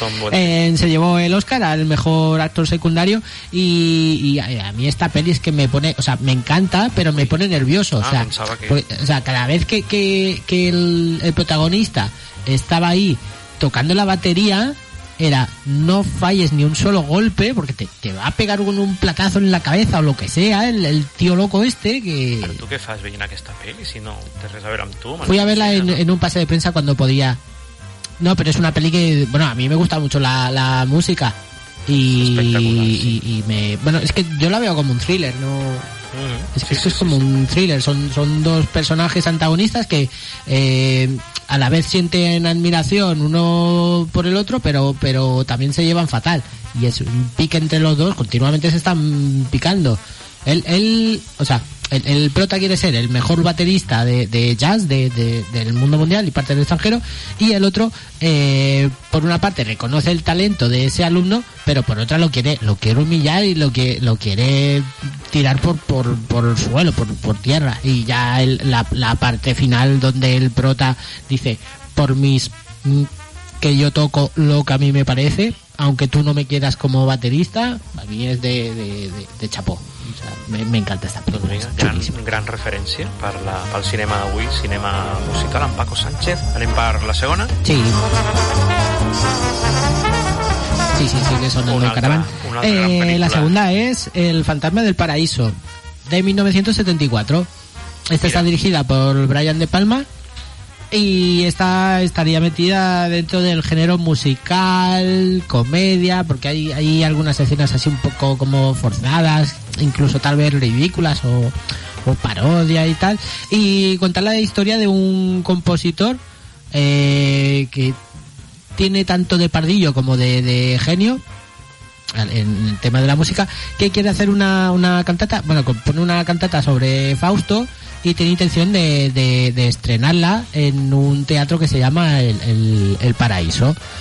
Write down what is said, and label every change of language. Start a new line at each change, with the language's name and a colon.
Spanish: Se llevó el Oscar al mejor actor secundario y a mí esta peli es que me pone, o sea, me encanta, pero me pone nervioso. Ah, o sea, cada vez que el protagonista estaba ahí tocando la batería, era no falles ni un solo golpe, porque te va a pegar un platazo en la cabeza o lo que sea, el tío loco este que...
Catalan: Pero tú qué fas veient aquesta peli, si no te res a ver amb tu.
Spanish: Fui a verla en un pase de prensa cuando podía. No, pero es una peli que, bueno, a mí me gusta mucho la música y me... Bueno, es que yo la veo como un thriller, ¿no? Uh-huh. Un thriller, son dos personajes antagonistas que a la vez sienten admiración uno por el otro, pero también se llevan fatal. Y es un pique entre los dos, continuamente se están picando. Él, o sea, el prota quiere ser el mejor baterista de jazz del mundo mundial y parte del extranjero, y el otro por una parte reconoce el talento de ese alumno, pero por otra lo quiere humillar y lo quiere tirar por el suelo, por tierra. Y ya la parte final donde el prota dice: por mis que yo toco lo que a mí me parece, aunque tú no me quieras como baterista, a mí es de chapó. O sea, me encanta esta película. Pues
Catalan: mira, gran referència pel cinema d'avui, cinema musical, amb Paco Sánchez. Anem per la segona? Sí. Sí, que són el Caravan.
Spanish: La segunda
Catalan: és El fantasma del paraíso, de 1974. Esta està dirigida per Brian De Palma.
Spanish: Y esta estaría metida dentro del género musical, comedia, porque hay algunas escenas así un poco como forzadas, incluso tal vez ridículas o parodia y tal. Y contar la historia de un compositor que tiene tanto de pardillo como de genio en el tema de la música, que quiere hacer una cantata, bueno, compone una cantata sobre Fausto, y tiene intención de estrenarla en un teatro que se llama El Paraíso.